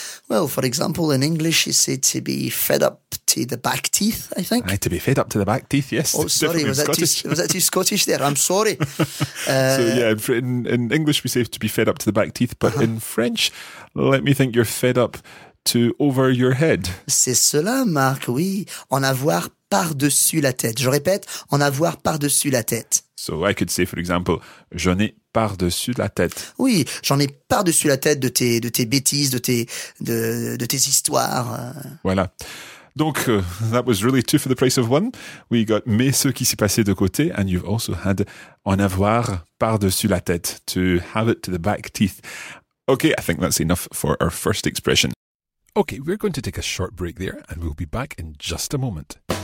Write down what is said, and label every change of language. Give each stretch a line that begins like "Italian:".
English: Well, for example, in English you say to be fed up to the back teeth, I think. Aye, to be fed up to the back teeth, yes. Oh, sorry, was that too Scottish there? I'm sorry. In English we say to be fed up to the back teeth, but in French, let me think, you're fed up to over your head.
French: C'est cela, Marc, oui. En avoir par-dessus la tête. Je répète, en avoir par-dessus la tête.
English: So I could say, for example,
French: j'en ai par-dessus la tête. Oui, j'en ai par-dessus la tête de tes bêtises, de tes histoires. Voilà.
English: Donc, that was really two for the price of one. We got
French: mais ce qui s'est passé de côté,
English: and you've also had
French: en avoir par-dessus la tête.
English: To have it to the back teeth. Okay, I think that's enough for our first expression. Okay, we're going to take a short break there and we'll be back in just a moment.